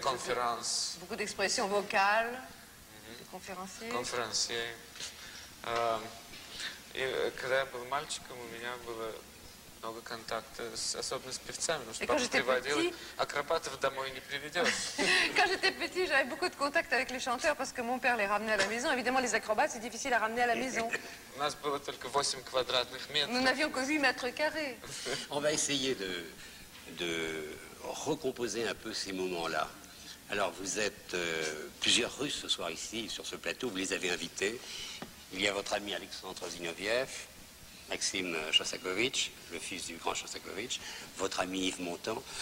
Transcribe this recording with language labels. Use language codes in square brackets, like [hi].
[fr] conférences. Beaucoup d'expressions vocales, conférenciers. Conférenciers. [ru] И когда я был мальчиком, у меня было много контактов, особенно с певцами, потому что папа приводил, акробатов домой не приведешь. [fr] Quand j'étais petit, j'avais beaucoup de contacts avec les chanteurs, parce que mon père les ramenait à la maison. Évidemment, les acrobates, c'est difficile à ramener à la maison. [ru] У нас было только 8 квадратных метров. [fr] Nous n'avions que 8 mètres carrés. On va essayer de recomposer un peu ces moments-là. Alors, vous êtes plusieurs Russes ce soir ici, sur ce plateau, vous les avez invités. Il y a votre ami Alexandre Zinoviev, Maxime Shostakovich, le fils du grand Shostakovich, votre ami Yves Montand.